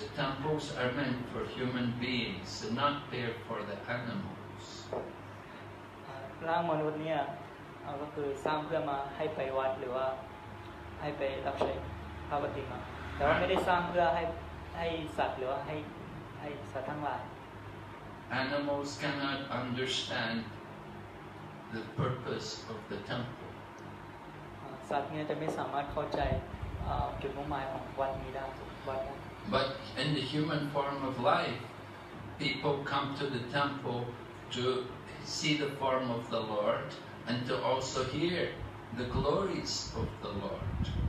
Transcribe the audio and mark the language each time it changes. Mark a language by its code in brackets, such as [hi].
[en] The temples are meant for human beings, not there for the animals. [th] ร่างมนุษย์เนี่ยก็คือสร้างเพื่อมาให้ไปวัดหรือว่าให้ไปรับใช้พระปฏิมาแต่ว่าไม่ได้สร้างเพื่อให้สัตว์หรือว่าให้สัตว์ทั้งหลาย [en] Animals cannot understand the purpose of the temple. [th] สัตว์เนี่ยจะไม่สามารถเข้าใจจุดมุ่งหมายของวัดนี้ได้วัดนี้ [en] But in the human form of life, people come to the temple to see the form of the Lord and to also hear the glories of the Lord.